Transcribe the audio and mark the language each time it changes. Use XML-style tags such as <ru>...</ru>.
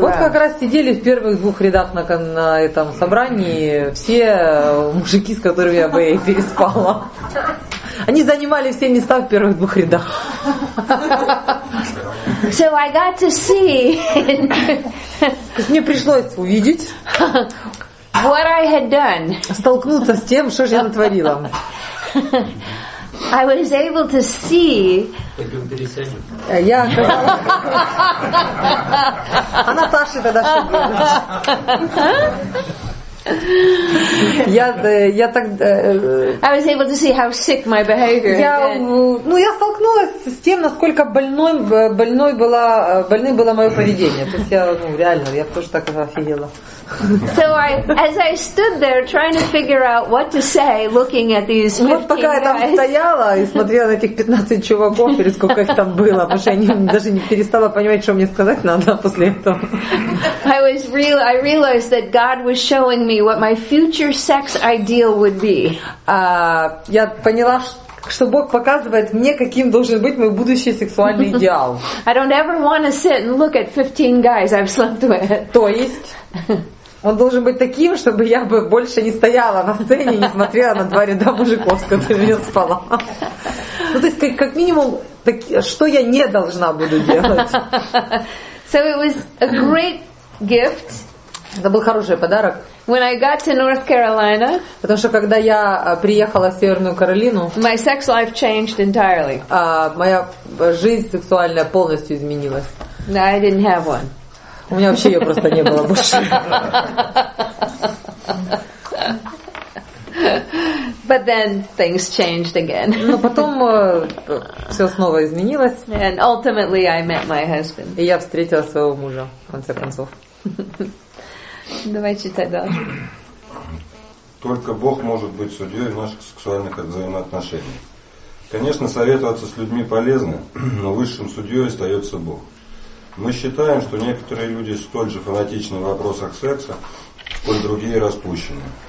<ru>rows. Вот как раз сидели в первых двух рядах на этом собрании все мужики, с которыми я в AA переспала. Они занимали все места в первых двух рядах.</ru> <en>So I got to see.</en> <ru>То есть мне пришлось увидеть.</ru> <en>What I had done.</en> <ru>Столкнуться с тем, что же я натворила.</ru> <en>I was able to see.</en> <ru>Я. А Наташа тогда что делала? Я так.</ru> <en>I was able to see how sick my behavior.</en> <ru>Я, ну, я столкнулась с тем, насколько больным было мое поведение. То есть я, ну, реально, я тоже так офигела.</ru> <en>So I, as I stood there trying to figure out what to say, looking at these 15</en> <ru>guys. Вот пока я там стояла и смотрела на этих 15 чуваков, или сколько их там было, потому что я даже не перестала понимать, что мне сказать надо после этого.</ru> <en>I was real. I realized that God was showing me what my future sex ideal would be.</en> <ru>Я поняла, что Бог показывает мне, каким должен быть мой будущий сексуальный идеал.</ru> <en>I don't ever want to sit and look at 15 guys I've slept with.</en> <ru>То есть он должен быть таким, чтобы я бы больше не стояла на сцене и не смотрела на два ряда мужиков, с которыми я спала. Ну, то есть, как минимум, так, что я не должна буду делать.</ru> <en>So it was a great gift.</en> <ru>Это был хороший подарок.</ru> <en>When I got to North Carolina,</en> <ru>потому что когда я приехала в Северную Каролину,</ru> <en>my sex life changed entirely.</en> <ru>Моя жизнь сексуальная полностью изменилась.</ru> <en>I didn't have one.</en> <ru>У меня вообще ее просто не было больше.</ru> <en>But then things changed again.</en> <ru>Но потом все снова изменилось.</ru> <en>And ultimately I met my husband.</en> <ru>И я встретила своего мужа, в конце концов. Давай читай дальше. Только Бог может быть судьей наших сексуальных взаимоотношений. Конечно, советоваться с людьми полезно, но высшим судьей остается Бог. Мы считаем, что некоторые люди столь же фанатичны в вопросах секса, сколь другие распущены.</ru>